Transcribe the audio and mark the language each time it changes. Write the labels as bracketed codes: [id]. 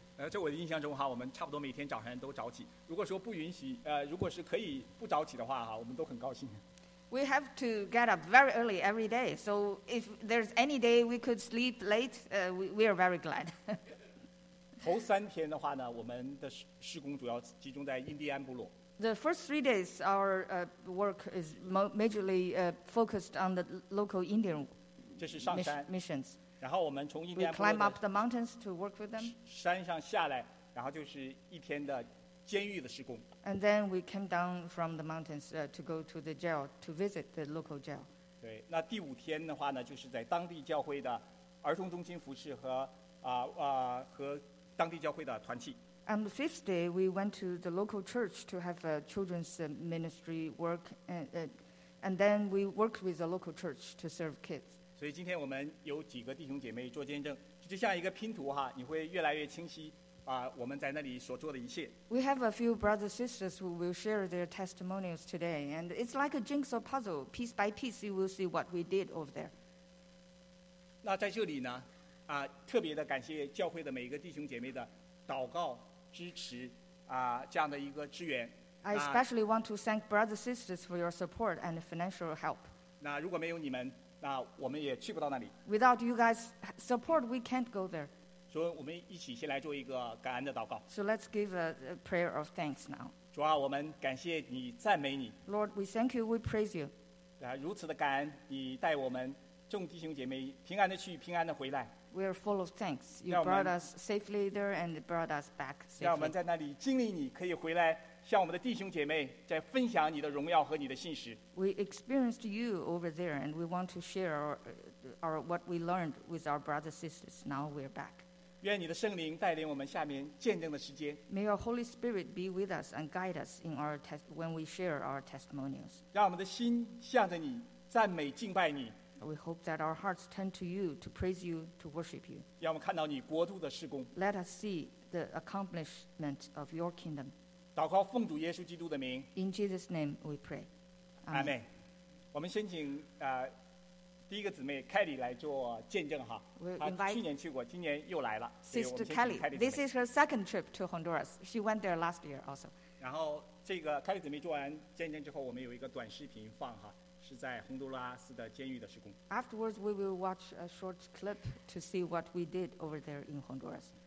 [zh] 在我的印象中哈，我们差不多每天早上都早起。如果说不允许如果是可以不早起的话哈，我们都很高兴。 [en] We have to get up very early every day. So if there's any day we could sleep late, we are very glad. [zh] 头三天的话呢，我们的施工主要集中在印第安部落。 [en] The first 3 days, our work is majorly focused on the local Indian [zh] 这是上山 [en] missions. [zh] 然后我们从印第安部落 [en] we climb up the mountains to work with them. [zh] 山上下来，然后就是一天的。监狱的施工。 [en] And then we came down from the mountains to go to the jail to visit the local jail. [zh] 对，那第五天的话呢，就是在当地教会的儿童中心服侍和和当地教会的团契。 [en] On the fifth day, we went to the local church to have a children's ministry work, and then we worked with the local church to serve kids. [zh] 所以今天我们有几个弟兄姐妹做见证，就像一个拼图哈，你会越来越清晰。我们在那里所做的一切。 [en] We have a few brothers and sisters who will share their testimonials today, and it's like a jigsaw puzzle. Piece by piece, you will see what we did over there. [zh] 那在这里呢，特别的感谢教会的每一个弟兄姐妹的祷告支持这样的一个支援。 [en] I especially want to thank brothers and sisters for your support and financial help. [zh] 那如果没有你们，那我们也去不到那里。 [en] Without you guys' support, we can't go there. [zh] 所以我们一起先来做一个感恩的祷告。 [en] So let's give a prayer of thanks now. [zh] 主啊，我们感谢你，赞美你。 [en] Lord, we thank you, we praise you. [zh] 如此的感恩，你带我们众弟兄姐妹平安的去，平安的回来。 [en] We are full of thanks. You brought us safely there and brought us back safely. [zh] 让我们在那里经历你，可以回来向我们的弟兄姐妹再分享你的荣耀和你的信实。 [en] We experienced you over there, and we want to share our what we learned with our brothers and sisters. Now we are back. [zh] 愿你的圣灵带领我们下面见证的时间。 [en] May your Holy Spirit be with us and guide us in our when we share our testimonials. [zh] 让我们的心向着你，赞美敬拜你。 [en] We hope that our hearts turn to you to praise you to worship you. [zh] 让我们看到你国度的事工。 [en] Let us see the accomplishment of your kingdom. [zh] 祷告奉主耶稣基督的名。 [en] In Jesus' name we pray. Amen. [zh] 我们先请第一个姊妹凯莉来做见证哈，她去年去过，今年又来了。 [en] Sister Kelly, this is her second trip to Honduras. She went there last year also. [zh] 然后这个凯莉姊妹做完见证之后，我们有一个短视频放哈，是在洪都拉斯的监狱的施工。 [en] Afterwards, we will watch a short clip to see what we did over there in Honduras.